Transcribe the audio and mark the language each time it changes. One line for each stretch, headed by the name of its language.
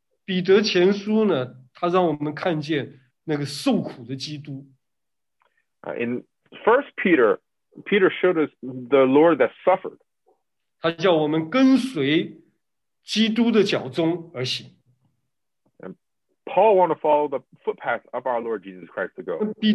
Chinese: 彼得前书呢,他让我们看见那个受苦的基督。
English: In 1 Peter, Peter showed us the Lord that suffered.
Chinese: 他叫我们跟随基督的脚踪而行。
English: Paul wanted to follow the footpath of our Lord Jesus Christ to go.